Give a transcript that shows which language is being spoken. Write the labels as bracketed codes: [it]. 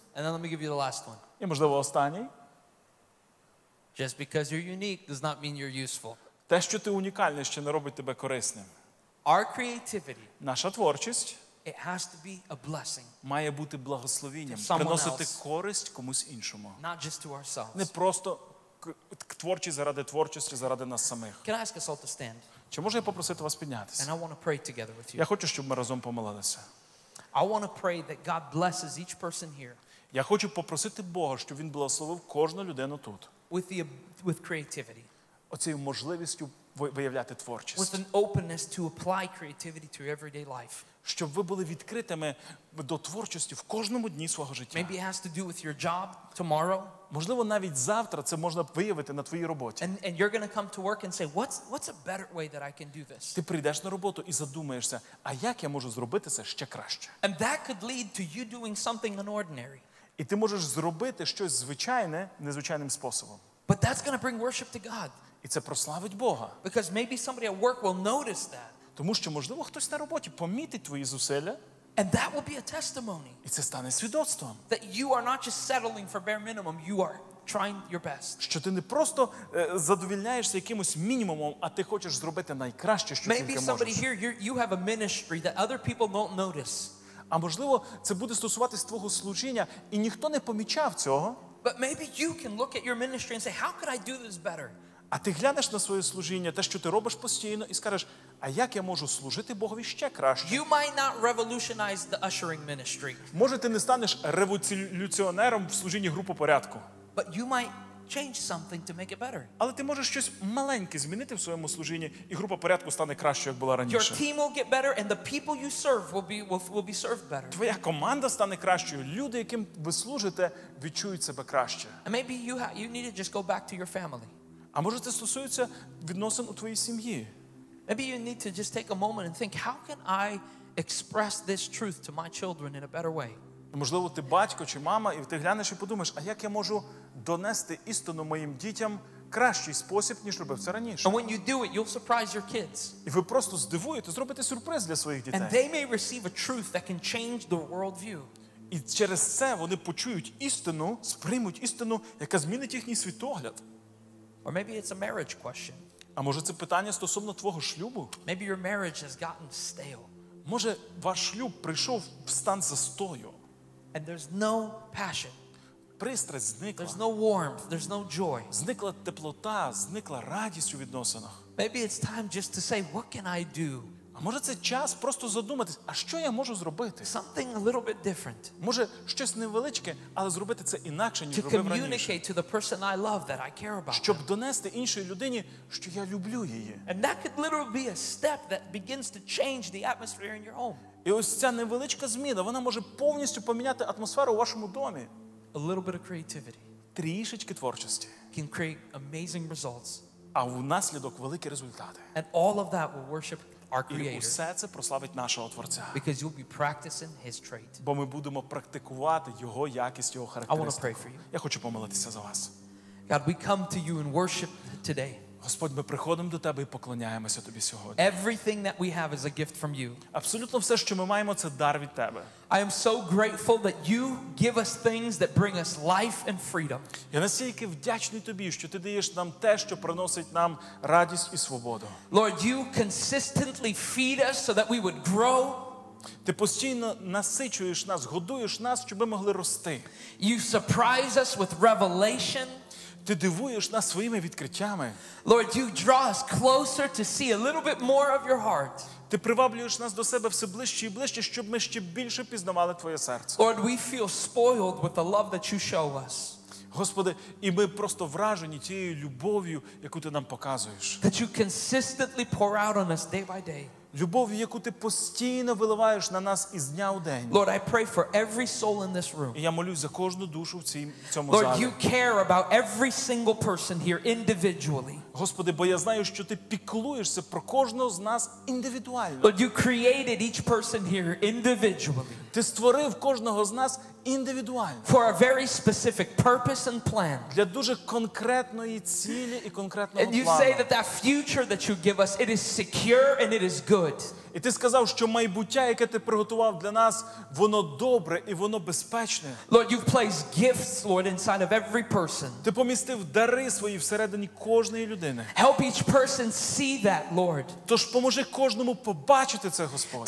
[en] And then let me give you the last one. [uk] І, можливо, останній. [en] Just because you're unique does not mean you're useful. [uk] Те, що ти унікальний, ще не робить тебе корисним. [en] Our creativity. [uk] Наша творчість. [en] It has to be a blessing. [uk] Має бути благословенням, приносити користь комусь іншому. [en] Not just to ourselves. [uk] Не просто творчість заради творчості, заради нас самих. [en] Can I ask us all to stand? [uk] Чи можу я попросити вас піднятися? [en] And I want to pray together with you. [uk] Я хочу, щоб ми разом помолилися. [en] I want to pray that God blesses each person here. [uk] Я хочу попросити Бога, щоб він благословив кожну людину тут. [en] With creativity. [uk] Оцею можливістю виявляти творчість. [en] With an openness to apply creativity to everyday life. [uk] Щоб ви були відкритими до творчості в кожному дні свого життя. [en] Maybe it has to do with your job tomorrow. [uk] Можливо, навіть завтра це можна виявити на твоїй роботі. [en] And you're going to come to work and say, what's a better way that I can do this? [uk] Ти прийдеш на роботу і задумаєшся, а як я можу зробити це ще краще? [en] And that could lead to you doing something unordinary. [uk] І ти можеш зробити щось звичайне незвичайним способом. [en] But that's going to bring worship to God. [uk] І це прославить Бога. [en] Because maybe somebody at work will notice that. [uk] Тому що, можливо, хтось на роботі помітить твої зусилля. [en] And that will be a testimony. [uk] І це стане свідоцтвом. [en] That you are not just settling for bare minimum, you are trying your best. [uk] Що ти не просто задовільняєшся якимось мінімумом, а ти хочеш зробити найкраще, що [en] Maybe [uk] тільки можеш. [en] Maybe somebody here, you have a ministry that other people don't notice. [uk] А можливо, це буде стосуватись твого служіння, і ніхто не помічав цього. [en] But maybe you can look at your ministry and say, how could I do this better? [uk] А ти глянеш на своє служіння, те, що ти робиш постійно, і скажеш, а як я можу служити Богові ще краще? [en] You might not revolutionize the ushering ministry. [uk] Може, ти не станеш революціонером в служінні групи порядку. [en] But you might change something to make it better. [uk] Але ти можеш щось маленьке змінити в своєму служінні, і група порядку стане краще, як була раніше. [en] Your team will get better, and the people you serve will be served better. [uk] Твоя команда стане кращою, люди, яким ви служите, відчують себе краще. [en] And maybe you need to just go back to your family. [uk] А може це стосується відносин у твоїй сім'ї? [en] Maybe you need to just take a moment and think, how can I express this truth to my children in a better way? [uk] Можливо, ти батько чи мама, і ти глянеш і подумаєш, а як я можу донести істину моїм дітям кращий спосіб, ніж робив це раніше? [en] And when you do it, you'll surprise your kids. [uk] І ви просто здивуєте, зробите сюрприз для своїх дітей. [en] And they may receive a truth that can change their worldview. [uk] І через це вони почують істину, сприймуть істину, яка змінить їхній світогляд. [en] Or maybe it's a marriage question. [uk] А може це питання стосовно твого шлюбу? [en] Maybe your marriage has gotten stale. [uk] Може ваш шлюб прийшов в стан застою? [en] And there's no passion. [uk] Пристрасть зникла. [en] There's no warmth, there's no joy. [uk] Зникла теплота, зникла радість у відносинах. [en] Maybe it's time just to say, what can I do? [uk] А може це час просто задуматись, а що я можу зробити? [en] Something a little bit different. [uk] Може щось невеличке, але зробити це інакше, ніж робив раніше. [en] To communicate to the person I love that I care about. [uk] Щоб донести іншій людині, що я люблю її. [en] And that could literally be a step that begins to change the atmosphere in your home. [uk] І ось ця невеличка зміна, вона може повністю поміняти атмосферу у вашому домі. [en] A little bit of creativity. [uk] трішечки творчості. [en] Can create amazing results. [uk] А внаслідок великі результати. [en] And all of that will worship our creator. [uk] І усе це прославить нашого творця. [en] Because you'll be practicing his trait. [uk] Бо ми будемо практикувати його якість, його характеристику. [en] I want to pray for you. [uk] Я хочу помолитися за вас. [en] God, we come to you in worship today. [uk] Господь, ми приходимо до Тебе і поклоняємося Тобі сьогодні. [en] Everything that we have is a gift from you. [uk] Абсолютно все, що ми маємо, це дар від Тебе. [en] I am so grateful that you give us things that bring us life and freedom. [uk] Я настільки вдячний Тобі, що Ти даєш нам те, що приносить нам радість і свободу. [en] Lord, you consistently feed us so that we would grow. [uk] Ти постійно насичуєш нас, годуєш нас, щоб ми могли рости. [en] You surprise us with revelation. [uk] Ти дивуєш нас своїми відкриттями. [en] Lord, you draw us closer to see a little bit more of your heart. [uk] Ти приваблюєш нас до себе все ближче і ближче, щоб ми ще більше пізнавали твоє серце. [en] Lord, we feel spoiled with the love that you show us. [uk] Господи, і ми просто вражені тією любов'ю, яку ти нам показуєш. [en] That you consistently pour out on us day by day. [uk] Любов'ю, яку ти постійно виливаєш на нас із дня у день. [en] Lord, I pray for every soul in this room. [uk] І я молюсь за кожну душу в цьому залі. [en] Lord, you care about every single person here individually. [uk] Господи, бо я знаю, що ти піклуєшся про кожного з нас індивідуально. [en] Lord, you created each person here individually. [uk] Ти створив кожного з нас індивідуально. [en] For a very specific purpose and plan. [uk] Для дуже конкретної цілі і конкретного плану. [en] And you say that that future that you give us, it is secure and it is good. [uk] І ти сказав, що майбуття, яке ти приготував для нас, воно добре і воно безпечне. [en] Lord, you've placed gifts, Lord, inside of every person. [uk] Ти помістив дари свої всередині кожної людини. [en] Help each person see that, Lord. [uk] Тож поможи кожному побачити це, Господь.